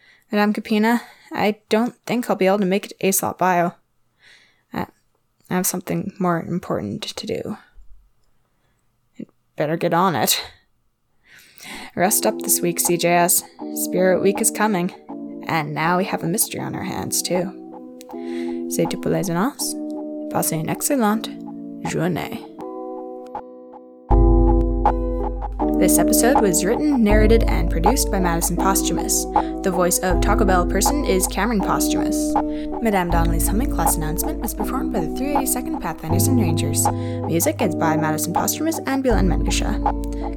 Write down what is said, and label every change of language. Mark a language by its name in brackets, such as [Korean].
[English] Madame Capina, I don't think I'll be able to make it to A-Slot Bio. I have something more important to do. I'd better get on it. Rest up this week, CJS. Spirit Week is coming. And now we have a mystery on our hands, too. [French] C'est tout pour les annonces. Passez une excellente journée. [English] This episode was written, narrated, and produced by Madison Posthumus. The voice of Taco Bell person is Cameron Posthumus. Madame Donnelly's humming class announcement was performed by the 382nd Pathfinders and Rangers. Music is by Madison Posthumus and Bilan Mendesha.